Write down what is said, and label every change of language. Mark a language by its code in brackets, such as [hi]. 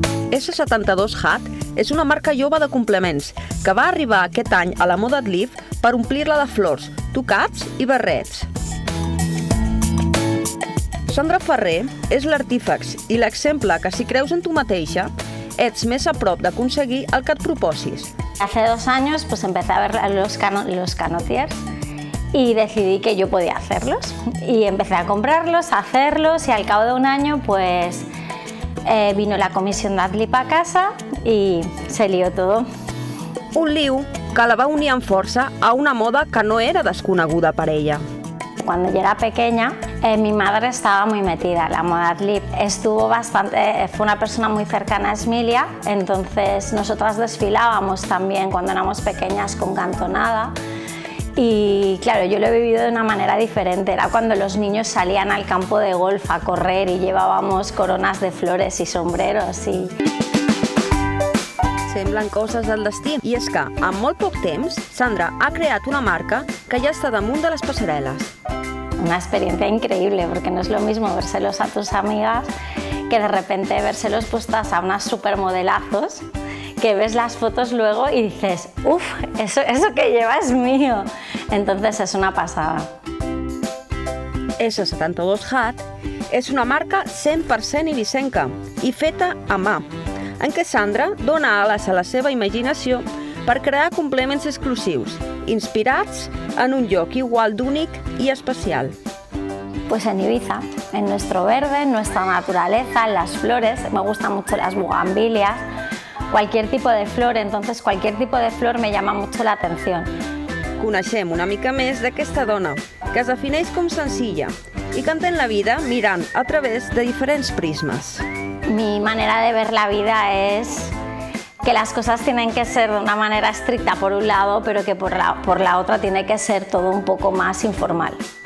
[ca] S72 Hat és una marca jove de complements que va arribar aquest any a la moda Art Lib per omplir-la de flors, tocats i barrets. Sandra Ferrer és l'artífex i l'exemple que, si creus en tu mateixa, ets més a prop d'aconseguir el que et proposis. [es] Hace 2 años pues empecé a ver los canotiers y decidí que yo podía hacerlos. Y empecé a comprarlos, a hacerlos, y al cabo de 1 año pues vino la comisión de Art Lib a casa y se lió todo. [ca] Un lío que la va unir amb força a una moda que no era desconeguda per ella. [es] Cuando yo era pequeña, mi madre estaba muy metida en la moda Art Lib. Estuvo bastante, fue una persona muy cercana a Esmilia, entonces nosotras desfilábamos también cuando éramos pequeñas con cantonada. Y claro, yo lo he vivido de una manera diferente. Era cuando los niños salían al campo de golf a correr y llevábamos coronas de flores y sombreros. Y... [ca] Semblen coses del destí. I és que, en molt poc temps, Sandra ha creat una marca que ja està damunt de les passarel·les. [es] Una experiencia increíble, porque no es lo mismo vérselos a tus amigas que de repente vérselos puestas a unas supermodelazos que ves las fotos luego y dices, uff, eso que lleva es mío. Entonces es una pasada. [ca] S72 Hat és una marca 100% eivissenca i feta a mà, en què Sandra dona ales a la seva imaginació per crear complements exclusius, inspirats en un lloc igual d'únic i especial. [es] Pues en Ibiza, en nuestro verde, en nuestra naturaleza, en las flores. Me gustan mucho las bugambilias, cualquier tipo de flor, entonces cualquier tipo de flor me llama mucho la atención. [ca] Coneixem una mica més d'aquesta dona, que es defineix com senzilla i que entén la vida mirant a través de diferents prismes. [es] Mi manera de ver la vida es que las cosas tienen que ser de una manera estricta por un lado, pero que por la otra tiene que ser todo un poco más informal.